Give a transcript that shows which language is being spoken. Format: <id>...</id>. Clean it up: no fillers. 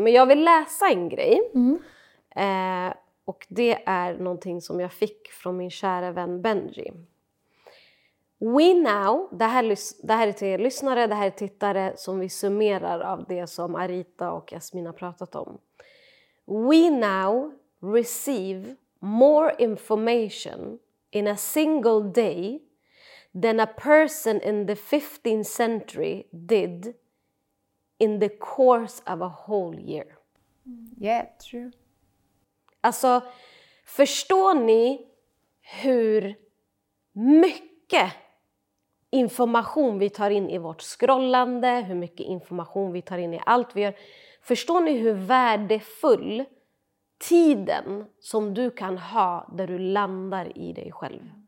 <sv>Men jag vill läsa en grej. Mm. Och det är någonting som jag fick från min kära vän Benji.</sv> <en>We now,</en> <sv>det här är till lyssnare, det här är tittare som vi summerar av det som Arita och Jasmin har pratat om.</sv> <en>We now receive more information in a single day than a person in the 15th century did in the course of a whole year. Yeah, true.</en> <sv>Alltså, förstår ni hur mycket information vi tar in i vårt scrollande, hur mycket information vi tar in i allt vi gör? Förstår ni hur värdefull tiden som du kan ha där du landar i dig själv?</sv>